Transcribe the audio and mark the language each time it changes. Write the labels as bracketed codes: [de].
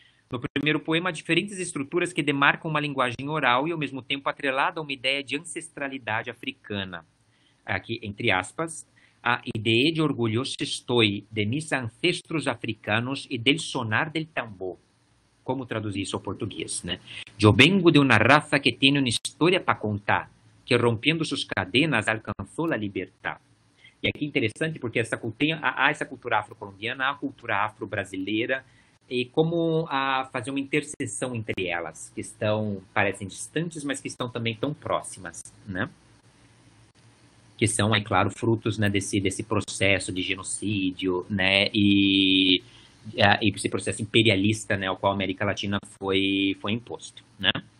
[pt] No primeiro poema, há diferentes estruturas que demarcam uma linguagem oral e, ao mesmo tempo, atrelada a uma ideia de ancestralidade africana. Aqui, entre aspas, a ideia de [es] orgulhoso estoy de mis ancestros africanos e del sonar del tambor. [pt] Como traduzir isso ao português, né? [es] Yo vengo de una raza que tiene una historia para contar, que rompiendo sus cadenas alcanzó la libertad. [pt] E aqui é interessante porque essa cultura, há essa cultura afro-colombiana, há a cultura afro-brasileira, e como a fazer uma interseção entre elas, que estão, parecem distantes, mas que estão também tão próximas, né? Que são, é claro, frutos, né, desse processo de genocídio, né, e esse processo imperialista, né, ao qual a América Latina foi imposto, né?